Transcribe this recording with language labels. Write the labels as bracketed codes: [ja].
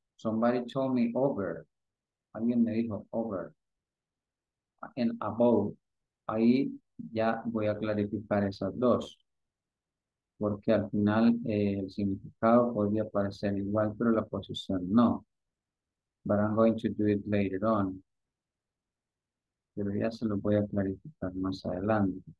[en] Somebody told me over. [es] Alguien me dijo over. [en] And above. [es] Ahí ya voy a clarificar esas dos. Porque al final el significado podría parecer igual, pero la posición no. [en] But I'm going to do it later on. [es] Pero ya se lo voy a clarificar más adelante.